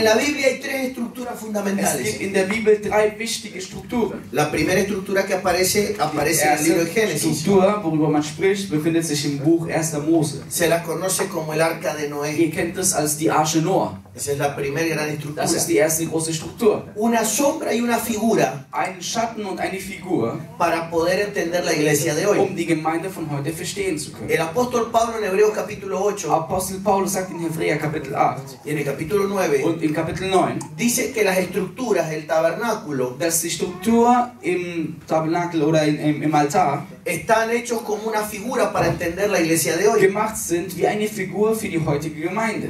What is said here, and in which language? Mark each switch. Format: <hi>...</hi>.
<es>En la Biblia hay tres estructuras fundamentales.</es> <de>Es gibt in der Bibel drei wichtige Strukturen.</de> <es>La primera estructura que aparece en el libro de Génesis.</es> <de>Die Struktur, worüber man spricht, befindet sich im Buch 1. Mose.</de> <es>Se la conoce como el Arca de Noé.</es> <de>Ihr kennt es als die Arche Noah.</de> <es>Esa es la primera gran estructura.</es> <de>Das ist die erste große Struktur.</de> <es>Una sombra y una figura.</es> <de>Ein Schatten und eine Figur.</de> <es>Para poder entender la iglesia de hoy.</es> <de>Um die Gemeinde von heute verstehen zu können.</de> <es>El apóstol Pablo en Hebreos capítulo 8.</es> <de>Apostel Paulus sagt in Hebräer Kapitel 8.</de> <es>Y en el capítulo 9.</es> <de>Und im Kapitel 9.</de> <es>Dice que las estructuras, el tabernáculo.</es> <de>Dass die Struktur im Tabernakel oder im Altar.</de> <es>Están hechos como una figura para entender la iglesia de hoy.</es> <de>Gemacht sind wie eine Figur für die heutige Gemeinde.</de>